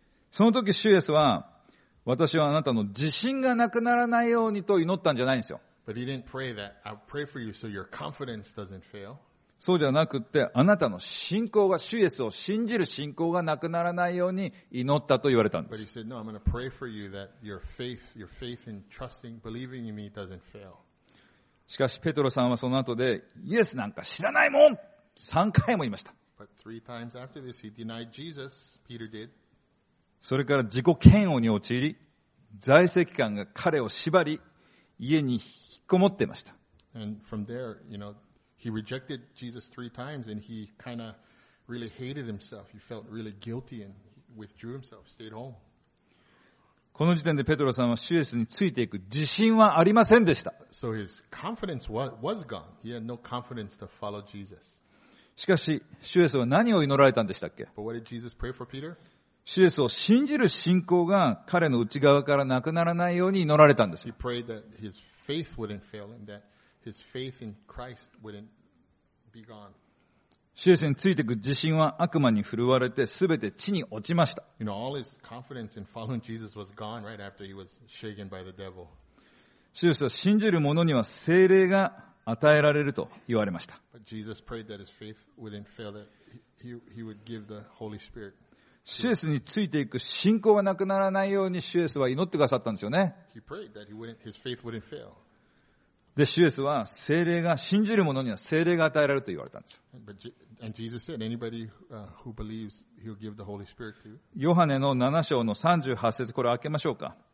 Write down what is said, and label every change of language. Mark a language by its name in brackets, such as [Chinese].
[Japanese] その時主イエスは私はあなたの自信がなくならないようにと祈ったんじゃないんですよ。 [English] But he didn't pray that. I'll pray for you so your confidence doesn't fail. [Japanese] そうじゃなくて、あなたの信仰が、主イエスを信じる信仰がなくならないように祈ったと言われたんです。 [English] But he said, no, I'm going to pray for you that your faith in trusting, believing in me doesn't fail. [Japanese] しかし、ペトロさんはその後で、イエスなんか知らないもん !3 回も言いました。 [English] But three times after this, he denied Jesus, Peter did. [Japanese] それから自己嫌悪に陥り、在籍官が彼を縛り、家に引きこもっていました。 [English] And from there, you know,He rejected Jesus three times and he kind of really hated himself. He felt really guilty and withdrew himself, stayed home. [Japanese] この時点でペトロさんは主イエスについていく自信はありませんでした。 [English] So his confidence was gone. He had no confidence to follow Jesus. [Japanese] しかし、主イエスは何を祈られたんでしたっけ? [English] But what did Jesus pray for Peter? [Japanese] 主イエスを信じる信仰が彼の内側からなくならないように祈られたんです。 [English] He prayed that his faith wouldn't fail and that His faith in Christ wouldn't be gone. [Japanese] 主イエスについていく自信は悪魔に振るわれて全て地に落ちました。 [English] You know, all his confidence in following Jesus was gone right after he was shaken by the devil. [Japanese] 主イエスは信じる者には聖霊が与えられると言われました。 [English] But Jesus prayed that his faith wouldn't fail, that he would give the Holy Spirit. [Japanese] 主イエスについていく信仰がなくならないように主イエスは祈ってくださったんですよね。 [English] He prayed that his faith wouldn't fail. [Japanese] で、主イエスは、聖霊が、信じる者には聖霊が与えられると言われたんです。 [English] And Jesus said, anybody who believes, he'll give the Holy Spirit to you. [Japanese] ヨハネの7章の38節、これ開けましょうか。